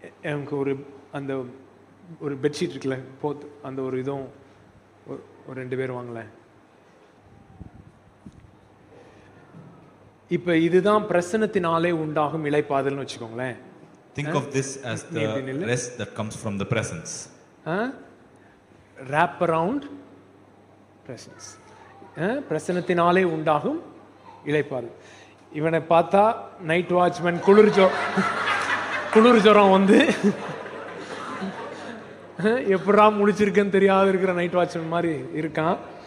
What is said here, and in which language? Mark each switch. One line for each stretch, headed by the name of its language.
Tamil: எனக்கு ஒரு அந்த ஒரு பெட்ஷீட் இருக்குல்ல போத்து, அந்த ஒரு இதுவும் ஒரு ரெண்டு பேர் வாங்களேன். இப்ப இதுதான் பிரசன்னத்தினாலே உண்டாகும் இளைப்பாதல்னு வச்சுக்கோங்களேன்.
English: Think of this as the rest that comes from the presence. Wrap around presence.
Tamil: பிரசன்னத்தினாலே உண்டாகும் இளைப்பாதல். இவனை பார்த்தா நைட் வாட்ச்மேன் குளிர் ஜுரம் வந்து எப்படா முடிச்சிருக்கேன்னு தெரியாத இருக்கிற நைட் வாட்ச்மேன் மாதிரி இருக்கான்.